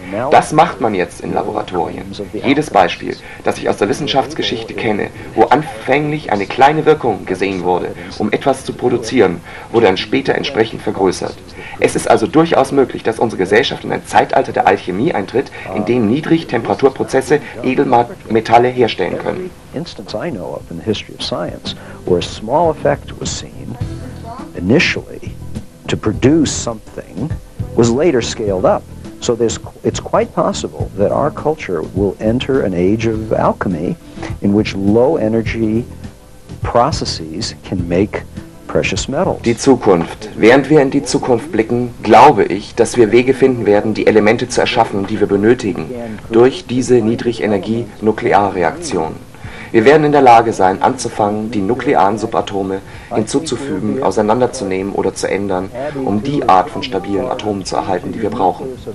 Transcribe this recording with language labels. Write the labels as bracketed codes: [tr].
[de] Das macht man jetzt in Laboratorien. Jedes Beispiel, das ich aus der Wissenschaftsgeschichte kenne, wo anfänglich eine kleine Wirkung gesehen wurde, um etwas zu produzieren, wurde dann später entsprechend vergrößert. Es ist also durchaus möglich, dass unsere Gesellschaft in ein Zeitalter der Alchemie eintritt, in dem Niedrigtemperaturprozesse Edelmetalle herstellen können. [en] Instance I know of in the history of science where a small effect was seen initially to produce something was later scaled up. So it's quite possible that our culture will enter an age of alchemy in which low energy processes can make precious metals. [de] Die Zukunft. Während wir in die Zukunft blicken, glaube ich, dass wir Wege finden werden, die Elemente zu erschaffen, die wir benötigen, durch diese Niedrigenergie-Nuklearreaktion. Wir werden in der Lage sein, anzufangen, die nuklearen Subatome hinzuzufügen, auseinanderzunehmen oder zu ändern, um die Art von stabilen Atomen zu erhalten, die wir brauchen.